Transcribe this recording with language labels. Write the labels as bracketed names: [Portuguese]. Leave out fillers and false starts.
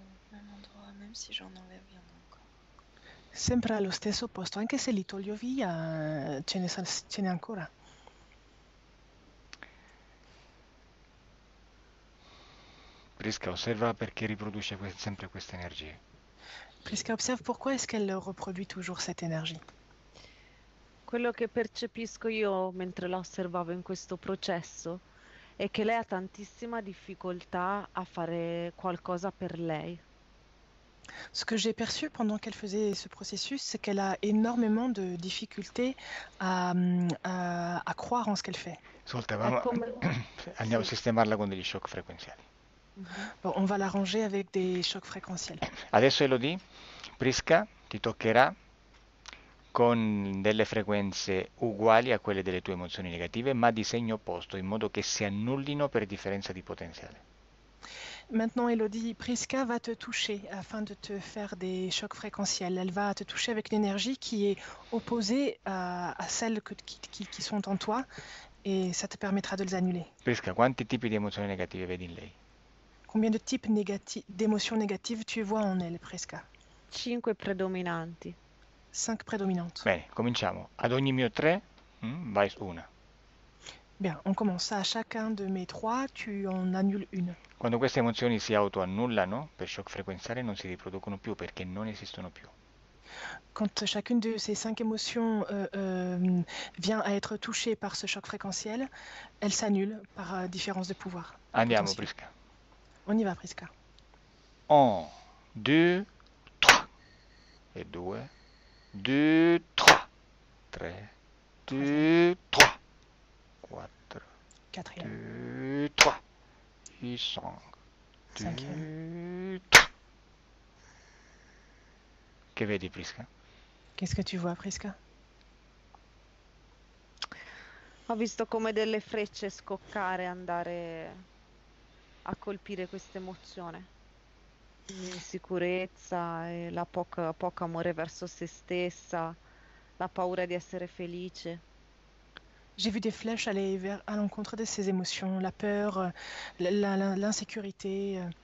[French] Même endroit, même si j'en enlève, il y en a encore. [Italian] Sempre allo stesso posto, anche se li toglio via, ce n'è ancora. Prisca, osserva perché riproduce sempre queste energie. [French] Prisca, observe pourquoi est-ce qu'elle reproduit toujours cette énergie. [Italian] Quello che percepisco io mentre l'osservavo in questo processo è che lei ha tantissima difficoltà a fare qualcosa per lei. [French] Ce que j'ai perçu pendant qu'elle faisait ce processus, c'est qu'elle a énormément de difficultés à croire en ce qu'elle fait. [Italian] Ascolta, È mamma, come. andiamo a Sì. sistemarla con degli shock frequenziali. [French] Bon, on va l'arranger avec des chocs frequentiels. [Italian] Adesso Elodie, Prisca, ti toccherà con delle frequenze uguali a quelle delle tue emozioni negative, ma di segno opposto, in modo che si annullino per differenza di potenziale. [French] Maintenant, Elodie, Prisca va te toucher afin de te faire des chocs fréquentiels. Elle va te toucher avec une énergie qui est opposée à celles qui sont en toi et ça te permettra de les annuler. [Italian] Prisca, quanti tipi di emozioni negative vedi in lei? [French] Combien de types d'émotions négatives tu vois en elle, Prisca? [Italian] 5 predominanti. [French] 5 prédominantes. [Italian] Bene, cominciamo. Ad ogni mio 3, vai una. Quando [French] Bien, on commence. À chacun de mes trois, tu en annules une. [Italian] queste emozioni si autoannullano, per shock frequenziale non si riproducono più perché non esistono più. [French] Quand chacune de ces 5 émotions vient à être touchée par ce choc fréquentiel, elle s'annule par différence de pouvoir [Italian] Andiamo, [French] potentiel. [Italian] Prisca. [French] On y va, Prisca. [Italian] 1, 2, 3. E 2. 2, 3, 3, [French] Troisième. [Italian] 2, 3, 4, [French] Quatrième. [Italian] 2, 3, 5, [French] 5e. [Italian] Che vedi, Prisca? [French] Qu'est-ce que tu vois, Prisca? [Italian] Ho visto come delle frecce scoccare, andare a colpire questa emozione. L'insicurezza, la poco amore verso se stessa, la paura di essere felice. [French] J'ai vu des flèches aller vers, à l'encontre de ces émotions, la peur, l'insécurité.